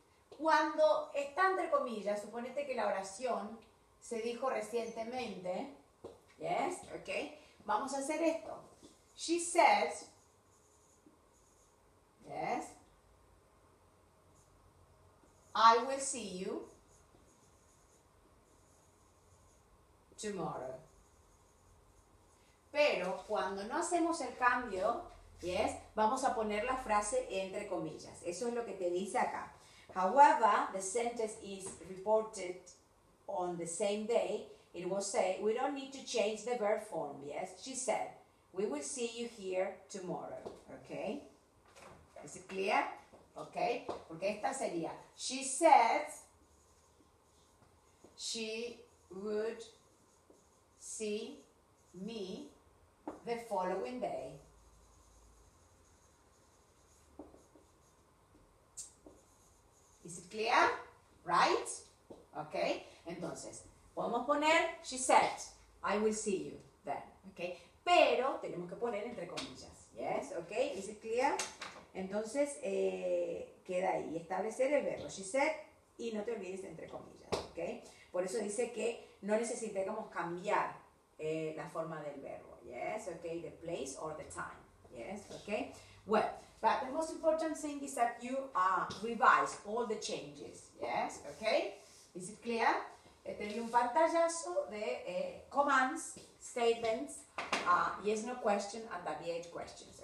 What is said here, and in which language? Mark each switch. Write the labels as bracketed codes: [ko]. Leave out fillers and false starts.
[es] Cuando está entre comillas, suponete que la oración se dijo recientemente. Yes, okay. Vamos a hacer esto. [en] She says, yes, I will see you tomorrow. [es] Pero cuando no hacemos el cambio, yes, vamos a poner la frase entre comillas. Eso es lo que te dice acá. [en] However, the sentence is reported on the same day. It will say, we don't need to change the verb form. Yes, she said, we will see you here tomorrow. Okay? Is it clear? Okay? [es] Porque esta sería, [en] she said, she would see me the following day. Is it clear? Right? Okay. [es] Entonces, podemos poner, [en] she said, I will see you then. [es] Okay. Pero tenemos que poner entre comillas. Yes? Okay. [en] Is it clear? [es] Entonces, queda ahí. Establecer el verbo. [en] She said, [es] y no te olvides entre comillas. Okay. Por eso dice que no necesitamos cambiar la forma del verbo. [en] Yes, okay, the place or the time. Yes, okay. Well, but the most important thing is that you revise all the changes. Yes, okay. Is it clear? [es] Tenía un pantallazo de [en] commands, statements, yes, no question, and WH questions.